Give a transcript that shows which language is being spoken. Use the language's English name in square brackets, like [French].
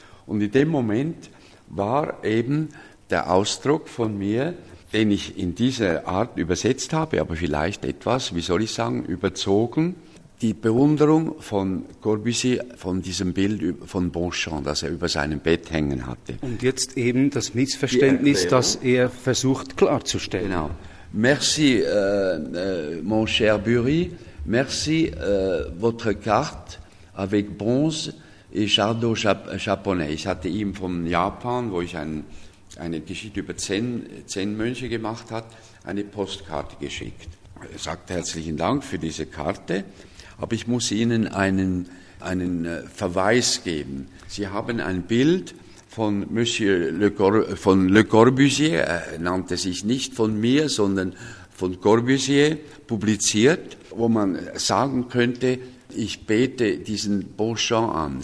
[German] Und in dem Moment war eben der Ausdruck von mir, den ich in dieser Art übersetzt habe, aber vielleicht etwas, wie soll ich sagen, überzogen, die Bewunderung von Corbusier von diesem Bild von Beauchamp, das er über seinem Bett hängen hatte. Und jetzt eben das Missverständnis, das er versucht klarzustellen. Genau. [French] Merci, mon cher Bury. Merci, votre carte avec bronze et chardon japonais. [German] Ich hatte ihm von Japan, wo ich eine Geschichte über Zen-Mönche gemacht habe, eine Postkarte geschickt. Er sagte herzlichen Dank für diese Karte, aber ich muss Ihnen einen Verweis geben. Sie haben ein Bild von Monsieur Le Corbusier, er nannte sich nicht von mir, sondern von Corbusier, publiziert, wo man sagen könnte, ich bete diesen Beauchamp an.